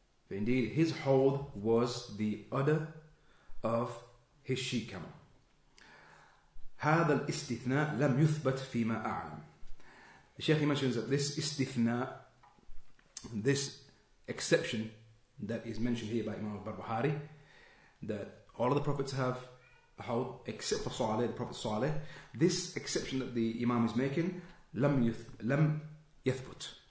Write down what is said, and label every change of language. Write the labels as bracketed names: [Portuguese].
[English] Indeed, his hold was the udder of his she camel. [Arabic] هذا الاستثناء لم يثبت فيما أعلم. [English] The Shaykh mentions that this استثناء, this exception that is mentioned here by Imam al-Barbahari, that all of the prophets have a hold except for Salih, the Prophet Salih, this exception that the Imam is making, [Arabic] لم يثبت.